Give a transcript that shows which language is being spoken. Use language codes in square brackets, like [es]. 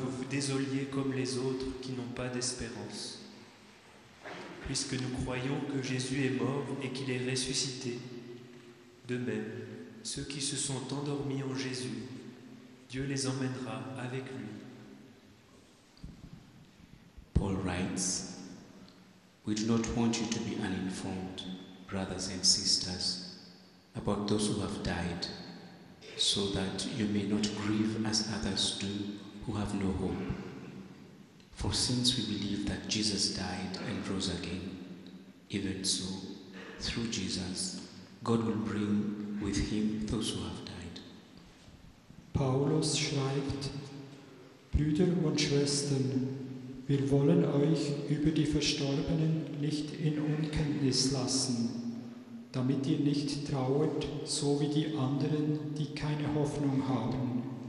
[fr] Désolés comme les autres qui n'ont pas d'espérance. Puisque nous croyons que Jésus est mort et qu'il est ressuscité, de même, ceux qui se sont endormis en Jésus, Dieu les emmènera avec lui. [en] Paul writes, we do not want you to be uninformed, brothers and sisters, about those who have died, so that you may not grieve as others do who have no hope. For since we believe that Jesus died and rose again, even so, through Jesus, God will bring with him those who have died. [de] Paulus schreibt, Brüder und Schwestern, wir wollen euch über die Verstorbenen nicht in Unkenntnis lassen, damit ihr nicht trauert, so wie die anderen, die keine Hoffnung haben.